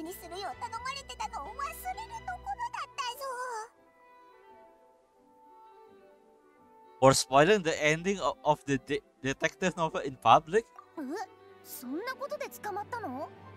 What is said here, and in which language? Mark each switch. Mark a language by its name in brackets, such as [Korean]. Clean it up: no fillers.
[Japanese] 内緒にするよう頼まれてたのを忘れるところだったぞ。 [English] For spoiling the ending of the detective novel in public? [Japanese] そんなことで捕まったの。